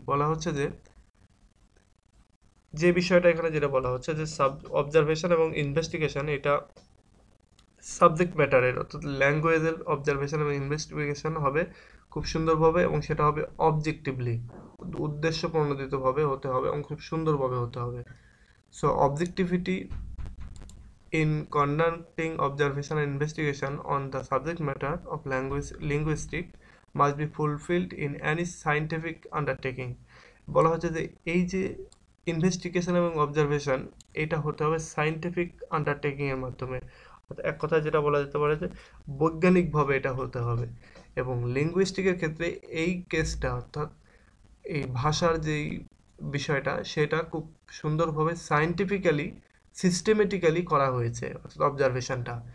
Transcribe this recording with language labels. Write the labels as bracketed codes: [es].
[bn] বলা হচ্ছে যে যে বিষয়টা এখানে যেটা বলা হচ্ছে যে অবজারভেশন এবং ইনভেস্টিগেশন এটা সাবজেক্ট ম্যাটারের, অর্থাৎ ল্যাঙ্গুয়েজের অবজারভেশন এবং ইনভেস্টিগেশন হবে খুব সুন্দরভাবে, এবং সেটা হবে অবজেক্টিভলি, উদ্দেশ্য প্রণোদিতভাবে হতে হবে, এবং খুব সুন্দরভাবে হতে হবে। So objectivity [en] in conducting observation and investigation on the subject matter of linguistic must be fulfilled in any scientific undertaking. [bn] বলা হচ্ছে যে এই যে ইনভেস্টিগেশন এবং অবজারভেশন এটা হতে হবে সাইন্টিফিক আন্ডারটেকিং এর মাধ্যমে, অর্থাৎ এক কথায় যেটা বলা যেতে পারে যে বৈজ্ঞানিকভাবে এটা হতে হবে। এবং লিঙ্গুইস্টিকের ক্ষেত্রে এই কেসটা অর্থাৎ এই ভাষার যে বিষয়টা সেটা খুব সুন্দরভাবে সাইন্টিফিক্যালি সিস্টেমেটিক্যালি করা হয়েছে, অর্থাৎ অবজারভেশনটা।